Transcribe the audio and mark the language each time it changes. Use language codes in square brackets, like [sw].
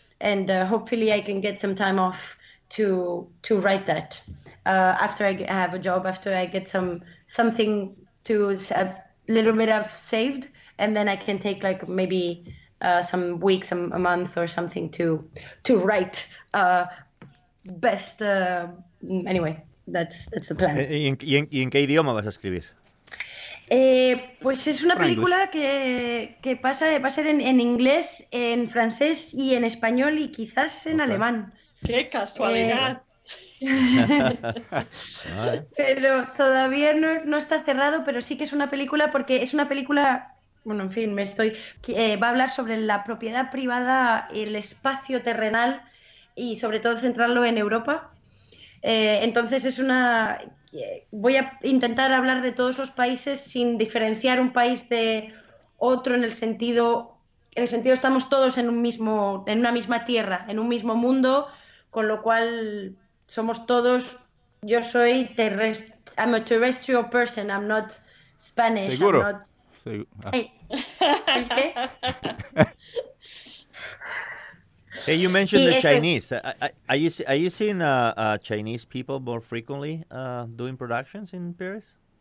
[en] And hopefully I can get some time off to write that after I have a job, after I get something to a little bit I've saved, and then I can take like maybe some weeks, a month or something to write best. Anyway, that's the plan. [es] ¿Y en qué idioma vas a escribir? Pues es una película que va a ser en inglés, en francés y en español y quizás en alemán. ¡Qué casualidad! Pero todavía no está cerrado, pero sí que es una película porque es una película, bueno, en fin, va a hablar sobre la propiedad privada, el espacio terrenal y sobre todo centrarlo en Europa. Entonces es una... voy a intentar hablar de todos los países sin diferenciar un país de otro en el sentido... En el sentido estamos todos en una misma tierra, en un mismo mundo... Con lo cual somos todos. Yo soy terrestre. [en] I'm a terrestrial person. I'm not Spanish. [es] Seguro. [en] I'm not... [es] ¿Qué? [en] Hey, you mentioned the Chinese. Are you seeing Chinese people more frequently doing productions in Paris?